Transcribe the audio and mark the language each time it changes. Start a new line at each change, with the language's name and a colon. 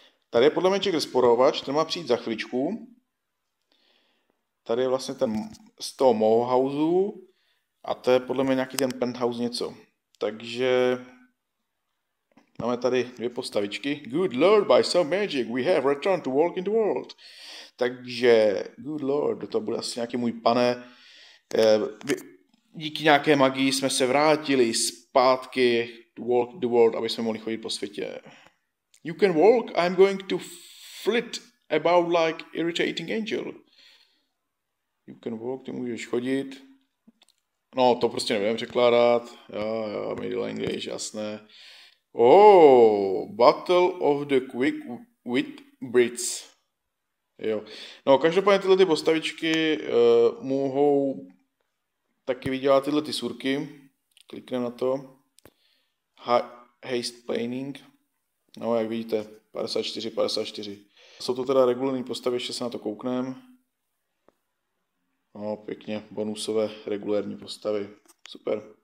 Czech: Tady je podle mě Jack Rozporovač, ten má přijít za chvíličku. Tady je vlastně ten z toho Moho Houseu a to je podle mě nějaký ten penthouse něco. Takže máme tady dvě postavičky.
English: Good Lord, by some magic, we have returned to walk in the world.
Czech: Takže,
English: good lord,
Czech: to bude asi nějaký můj pane. Díky nějaké magii jsme se vrátili zpátky
English: to walk the world,
Czech: aby jsme mohli chodit po světě.
English: You can walk, I'm going to flit about like irritating angel. You can walk,
Czech: ty můžeš chodit. No, to prostě nebudeme překládat. Jo, middle English, jasné.
English: Oh, Battle of the Quick Wit Brits.
Czech: Jo. No, každopádně tyhle ty postavičky mohou taky vydělat tyhle ty surky. Klikneme na to. Haste Painting. No, jak vidíte, 54, 54. Jsou to teda regulární postavy, ještě se na to koukneme. No, pěkně, bonusové regulární postavy. Super.